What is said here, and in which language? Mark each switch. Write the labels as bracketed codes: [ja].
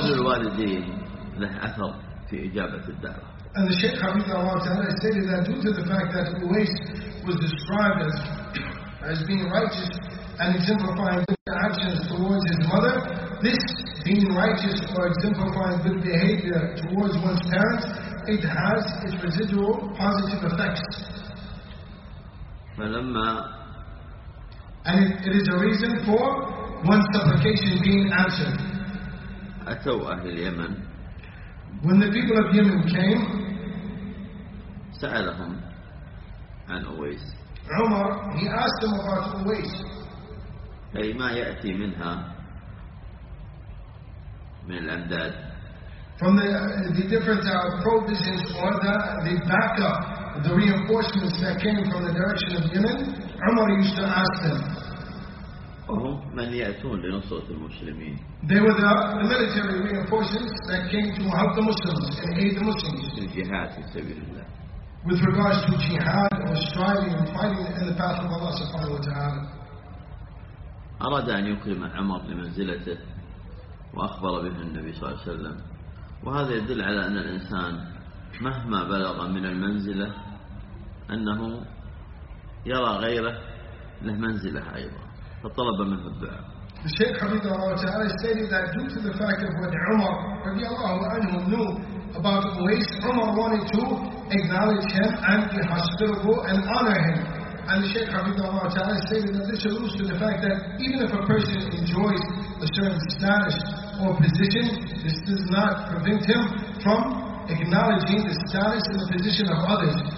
[ar] بر الوالدين له أثر في إجابة الدعوة. [en] And the Shaykh Habibullah Ta'ala stated that due to the fact that Uwais was described as being righteous and exemplifying good actions towards his mother, this being righteous or exemplifying good behavior towards one's parents, it has its residual positive effects. And it is a reason for one's supplication being answered. [ar] أتوا أهل اليمن. [en] When the people of Yemen came, [ar] سألهم عن أويس. [en] Umar, he asked him about Uwais. [ar] أي ما يأتي منها من الأمداد. [en] From the different provisions or the backup, the reinforcements that came from the direction of Yemen, Umar used to ask them. [ar] وهم من يأتون لنصرة المسلمين. [en] They were the military reinforcements that came to help the Muslims and aid the Muslims. [ar] في الجهاد في سبيل الله. [en] With regards to jihad or striving and fighting in the path of Allah subhanahu wa ta'ala. [ar] أراد أن يكرم عمر لمنزلته وأخبر به النبي صلى الله عليه وسلم، وهذا يدل على أن الإنسان مهما بلغ من المنزلة أنه يرى غيره له منزلة أيضا، فطلب منه الدعاء. الشيخ حفظه الله تعالى [en] stated that due to the fact of what Umar [ar] رضي الله عنه [en] knew about Uwais, Umar wanted to acknowledge him and be hospitable and honor him. And the Shaykh Hafidhullah Ta'ala stated that this alludes to the fact that even if a person enjoys a certain status or position, this does not prevent him from acknowledging the status and the position of others.